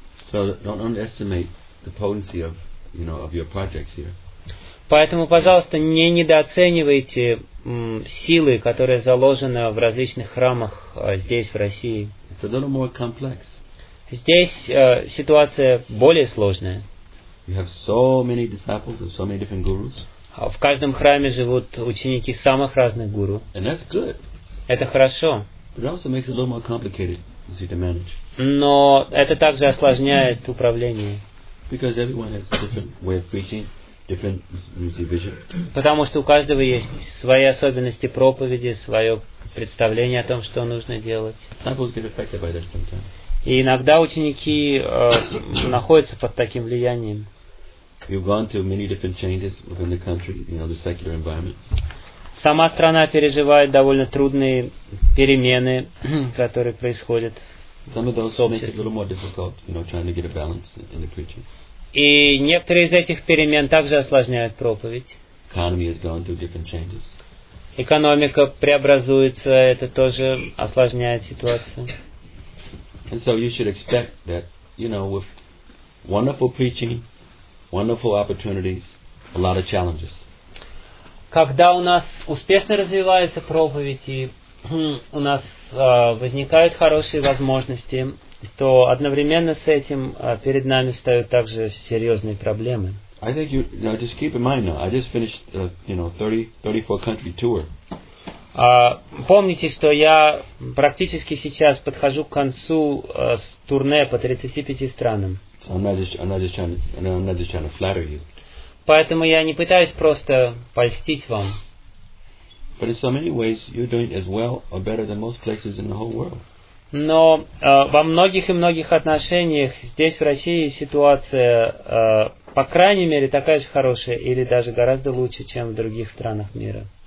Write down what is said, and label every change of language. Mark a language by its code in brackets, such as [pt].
[en] So don't underestimate the potency of, you know, of your projects here. [ru] Поэтому, пожалуйста, не недооценивайте силы, которые заложены в различных храмах здесь, в России. [en] It's a little more complex. [ru] Здесь ситуация более сложная. [en] You have so many disciples of so many different gurus. [ru] В каждом храме живут ученики самых разных гуру. [en] And that's good. [ru] Это хорошо. [en] But it also makes it a little more complicated, you see, to manage. [ru] Но это также осложняет управление. [en] Because everyone has a different way of preaching, different, you see, vision. [ru] Потому что у каждого есть свои особенности проповеди, свое представление о том, что нужно делать. [en] Disciples get affected by that sometimes. [ru] И иногда ученики находятся под таким влиянием. [en] You've gone through many different changes within the country, you know, the secular environment. [ru] Сама страна переживает довольно трудные перемены, которые происходят. [en] Some of those make it a little more difficult, you know, trying to get a balance in the preaching. [ru] И некоторые из этих перемен также осложняют проповедь. [en] Economy has gone through different changes. [ru] Экономика преобразуется, это тоже осложняет ситуацию. [en] And so you should expect that, you know, with wonderful preaching, wonderful opportunities, a lot of challenges. [ru] Когда у нас успешно развивается проповедь и у нас возникают хорошие возможности, то одновременно с этим перед нами встают также серьезные проблемы. [en] I think you, you know, just keep in mind now, I just finished, you know, 34 country tour. [ru] Помните, что я практически сейчас подхожу к концу с турне по 35 странам. [en] I'm not just trying to flatter you. [ru] Поэтому я не пытаюсь просто польстить вам. [en] But in so many ways, you're doing as well or better than most places in the whole world. [ru] Но во многих и многих отношениях здесь, в России, ситуация, по крайней мере, такая же хорошая или даже гораздо лучше, чем в других странах мира.